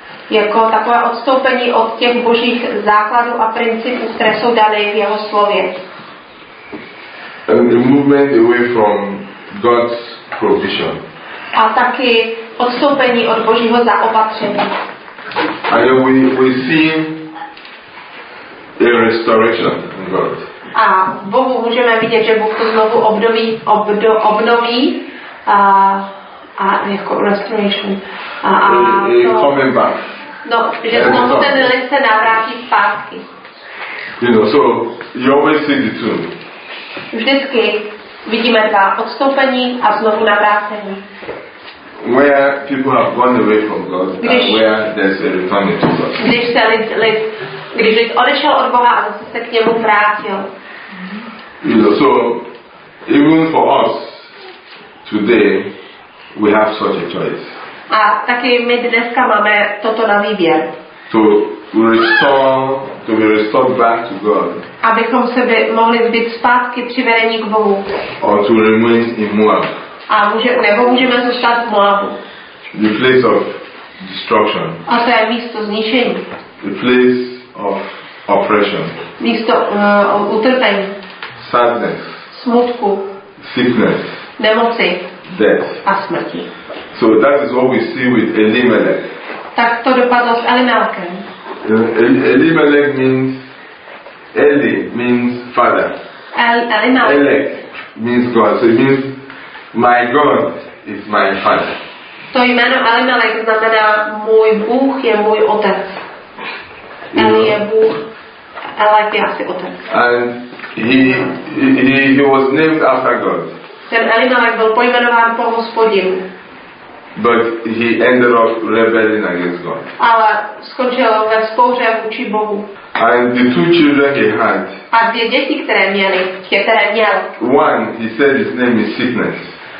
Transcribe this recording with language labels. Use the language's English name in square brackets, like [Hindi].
[Czech] Jako takové odstoupení od těch Božích základů a principů, které jsou dané v jeho slově. [English] And a movement away from God's provision. [Czech] A taky odstoupení od Božího zaopatření. [English] And we see a restoration in God. [Czech] A Bohu můžeme vidět, že Bůh to znovu obnoví a jako restoration. [English] Coming back. [Czech] No, že znovu ten list se navrátí zpátky. [English] You know, so you always see the two. [Czech] Vždycky vidíme dva, odstoupení a znovu navrácení. [English] Where people have gone away from God, and where there's a returning to God. [Czech] Když se lid odešel od Boha a zase se k němu vrátil. [English] You know, so even for us today, we have such a choice. [Czech] A taky my dneska máme toto na výběr. [English] To be restored back to God. [Czech] Abychom se mohli být zpátky přivedení k Bohu. [English] Or to remain in Moab. [Czech] A můžeme zůstat v Moabu. [English] The place of destruction. [Czech] A to je místo zničení. [English] The place of oppression. [Czech] Místo utrpení. [English] Sadness. [Czech] Smutku. [English] Sickness. [Czech] Nemoci. [English] Death. [Czech] A smrti. [English] So that is what we see with Elimelech. [Czech] Tak to dopadlo s Elimelechem. [English] Elimelech means Eli means father. Elimelech means God. So it means my God is my father. [Czech] To jméno Elimelech znamená můj Bůh je můj otec. Eli je Bůh, Elek je asi otec. [English] And he was named after God. [Czech] Ten Elimelech byl pojmenován po Hospodinu. [English] But he ended up rebelling against God. [Czech] Ale skončil ve spouře vůči Bohu. [English] And the two children he had. [Czech] A dvě děti, které měli, [English] One, he said his name is sickness.